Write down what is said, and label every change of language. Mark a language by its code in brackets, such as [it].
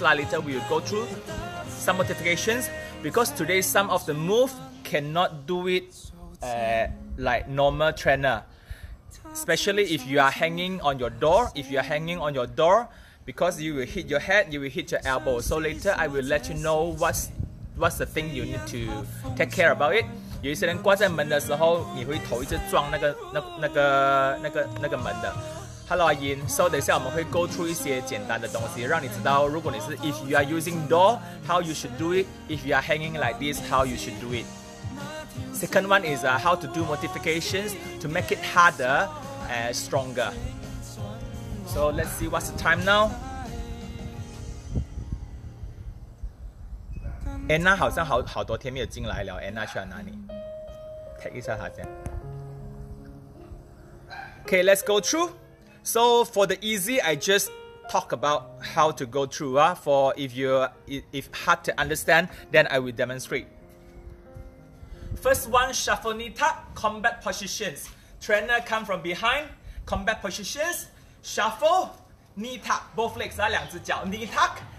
[en] Later we will go through some modifications because today some of the move cannot do it, like normal trainer. Especially if you are hanging on your door, because you will hit your head, you will hit your elbow. So later I will let you know what's the thing you need to take care about it. [zh] 有一些人挂在门的时候，你会头一直撞那个门的。 Hello， 阿银。So 等一下我们会 go through 一些简单的东西，让你知道，如果你是 [en] if you are using door， how you should do it。 If you are hanging like this， how you should do it。 Second one is how to do modifications to make it harder and stronger。 So let's see what's the time now。 [zh] 安娜好像 好多天没有进来了，安娜去了哪里 ？ [en] Take [zh] 一下她先。 [en] Okay, let's go through. So for the easy, I just talk about how to go through. For if hard to understand, then I will demonstrate. First one, shuffle knee tuck, combat positions. Trainer come from behind, combat positions, shuffle knee tuck, both legs [zh] 啊，两只脚 [en] knee tuck.